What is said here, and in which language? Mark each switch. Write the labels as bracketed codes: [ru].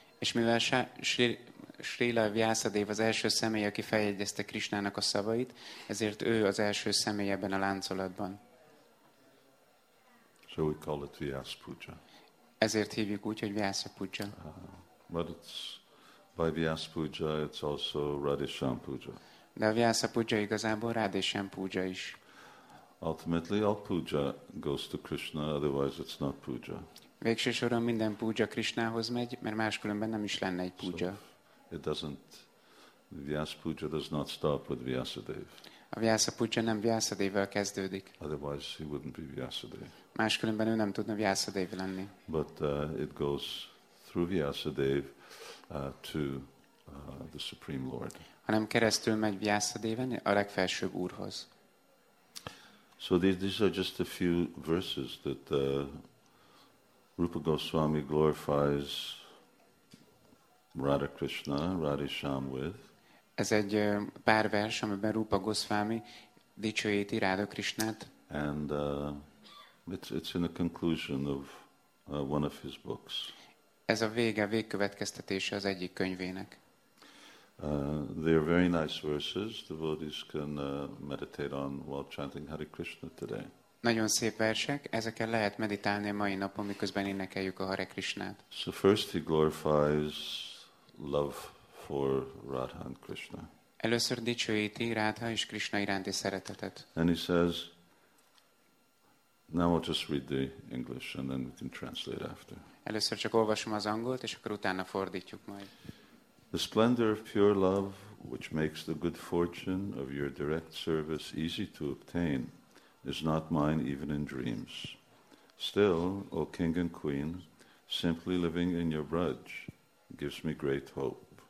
[hu] És mivel Srila Vyasadeva az első személy, aki feljegyezte Krishnának a szavait, ezért ő az első személy ebben a láncolatban. [en] So we call it Vyas Puja. [hu] Ezért hívjuk úgy, hogy Vyasa Puja. [en] But it's By Vyasa Puja, it's also Radhesham Puja. [hu] De a Vyasa Puja igazából Radhesham Puja is. [en] Ultimately, all puja goes to Krishna, otherwise it's not puja. [hu] Végső soron minden puja Krishnához megy, mert máskülönben nem is lenne egy puja. [en] So it doesn't, Vyasa Puja does not stop with Vyasadeva. [hu] A Vyasa Puja nem Vyasadevvel kezdődik. [en] Otherwise he wouldn't be Vyasadeva. [hu] Máskülönben ő nem tudna Vyasadeva lenni. [en] But it goes through Vyasadeva to the Supreme Lord. [hu] Hanem keresztül megy Vyasadevan a legfelsőbb úrhoz. [en] So these are just a few verses that Rupa Goswami glorifies Radha Krishna, Radhesham with. [hu] Ez egy pár vers, amiben Rupa Goswami dicsőíti Radha Krishnát. [en] And it's in the conclusion of one of his books. [hu] Ez a vége, végkövetkeztetése az egyik könyvének. [en] They are very nice verses. Devotees can meditate on while chanting Hare Krishna today. [hu] Nagyon szép versek. Ezeken lehet meditálni a mai napon, miközben énekeljük a Hare Krishnát. [en] So first he glorifies love for Radha and Krishna. [hu] Először dicsőíti Radha és Krishna iránti szeretetet. [en] And he says, now I'll just read the English and then we can translate after. [hu] Először csak olvasom az angolt, és akkor utána fordítjuk majd. [en] The splendor of pure love, which makes the good fortune of your direct service easy to obtain, is not mine even in dreams. Still, O King and Queen, simply living in your Braj gives me great hope.